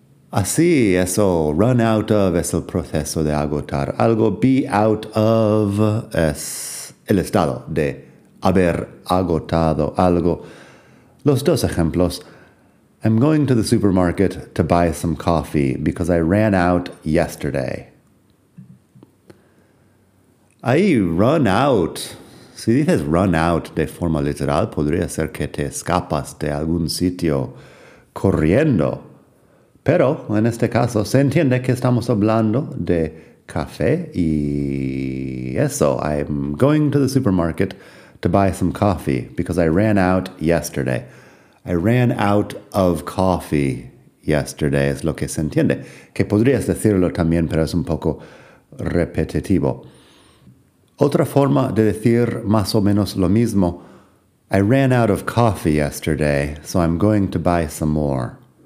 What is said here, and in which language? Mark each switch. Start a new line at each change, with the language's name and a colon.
Spanish: Así, eso,
English: run out of
Spanish: es el proceso de agotar algo.
English: Be out of
Spanish: es el estado de haber agotado algo. Los dos ejemplos.
English: I'm going to the supermarket to buy some coffee because I ran out yesterday.
Spanish: Ahí,
English: run out.
Spanish: Si dices
English: run out
Spanish: de forma literal, podría ser que te escapas de algún sitio corriendo. Pero, en este caso, se entiende que estamos hablando de café y eso.
English: I'm going to the supermarket to buy some coffee because I ran out yesterday. I ran out of coffee yesterday,
Spanish: es lo que se entiende. Que podrías decirlo también, pero es un poco repetitivo. Otra forma de decir más o menos lo mismo.
English: I ran out of coffee yesterday, so I'm going to buy some more.